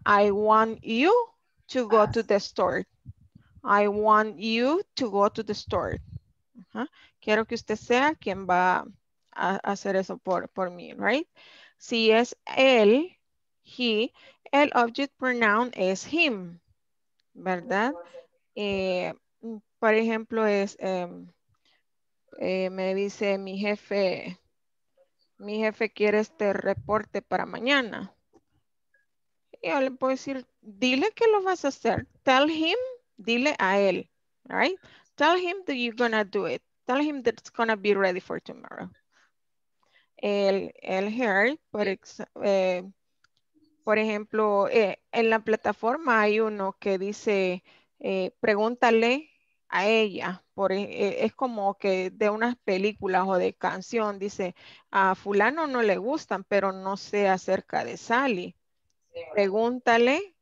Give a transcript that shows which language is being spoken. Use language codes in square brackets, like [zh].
[en] I want you to go to the store. I want you to go to the store. Uh-huh. [es] Quiero que usted sea quien va a hacer eso por mí, [en] right? [es] Si es él, he, el object pronoun es him, ¿verdad? Por ejemplo, es me dice mi jefe. Mi jefe quiere este reporte para mañana. Y yo le puedo decir, dile que lo vas a hacer. [en] Tell him, [es] dile a él, [en] right? Tell him that you're gonna do it. Tell him that it's gonna be ready for tomorrow. [es] El here, por ejemplo, en la plataforma hay uno que dice, pregúntale a ella. Es como que de unas películas o de canción, dice, a fulano no le gustan, pero no sé acerca de Sally. Pregúntale